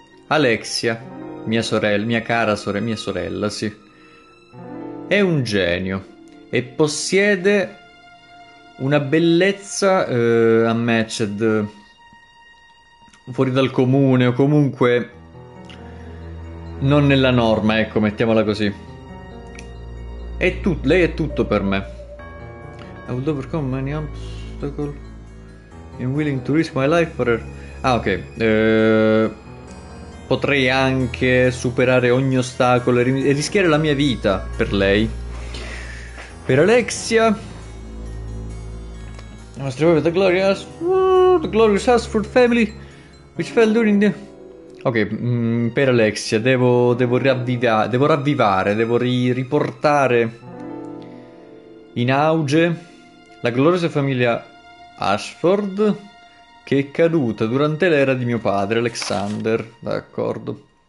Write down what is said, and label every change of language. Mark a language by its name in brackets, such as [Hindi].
[Italian] Alexia, mia sorella, mia cara sorella, mia sorella, sì. È un genio e possiede una bellezza a Matched fuori dal comune, o comunque non nella norma, ecco, mettiamola così. Lei è tutto per me. [English] I would overcome many obstacles and willing to risk my life for her. Ah, ok. [Italian] Potrei anche superare ogni ostacolo e rischiare la mia vita per lei. Per Alexia. [English] I must remember the glorious Ashford family, which fell during the. [Italian] Ok, per Alexia, devo riportare in auge la gloriosa famiglia Ashford, che è caduta durante l'era di mio padre, Alexander. D'accordo.